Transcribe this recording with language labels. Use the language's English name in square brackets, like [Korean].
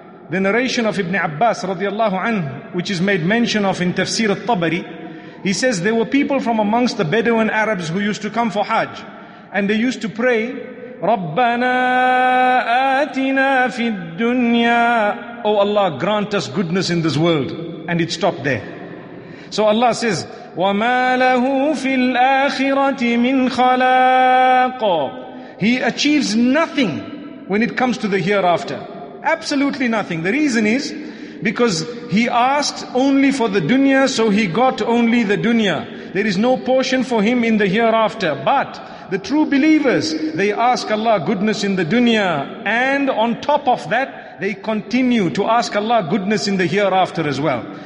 [English] The narration of Ibn Abbas radiallahu anhu, which is made mention of in Tafsir al-Tabari, he says there were people from amongst the Bedouin Arabs who used to come for Hajj, and they used to pray, [Arabic] رَبَّنَا آتِنَا فِي الدُّنْيَا, [English] oh Allah, grant us goodness in this world. And it stopped there. So Allah says, [Arabic] وَمَا لَهُ فِي الْآخِرَةِ مِنْ خَلَاقٍ. [English] He achieves nothing when it comes to the hereafter. Absolutely nothing. The reason is because he asked only for the dunya, so he got only the dunya. There is no portion for him in the hereafter. But the true believers, they ask Allah goodness in the dunya, and on top of that, they continue to ask Allah goodness in the hereafter as well.